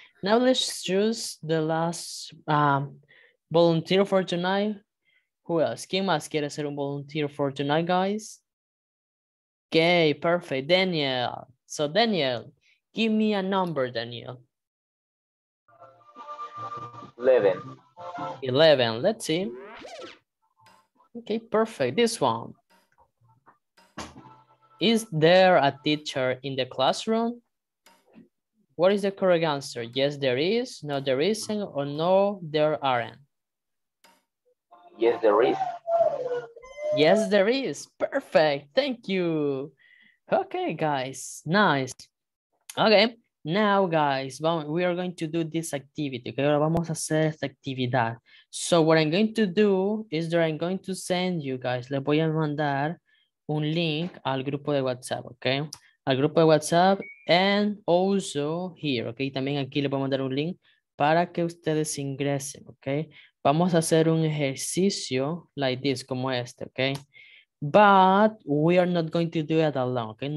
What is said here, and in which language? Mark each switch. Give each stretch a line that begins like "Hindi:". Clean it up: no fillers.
English: Now let's choose the last volunteer for tonight. Who else?
Spanish: ¿Quién más quiere ser un
English: volunteer for tonight, guys? Okay, perfect. Daniel. So, Daniel, give me a number, Daniel. 11. 11. Let's see. Okay, perfect. This one. Is there a teacher in the classroom? What is the correct answer? Yes, there is. No, there isn't. Or no, there aren't. Yes, there is. Yes, there is. Perfect. Thank you. Okay, guys. Nice. Okay. Now, guys, we are going to do this activity. Okay,
Spanish: vamos a hacer esta actividad.
English: So what I'm going to do is that I'm going to send you guys,
Spanish: le voy a mandar un link al grupo de WhatsApp,
English: okay?
Spanish: Al grupo de WhatsApp
English: and also here, okay?
Spanish: También aquí le voy a mandar un link para que ustedes ingresen, okay? Vamos a hacer un ejercicio
English: like this,
Spanish: como este, okay?
English: But we are not going to do it alone, okay?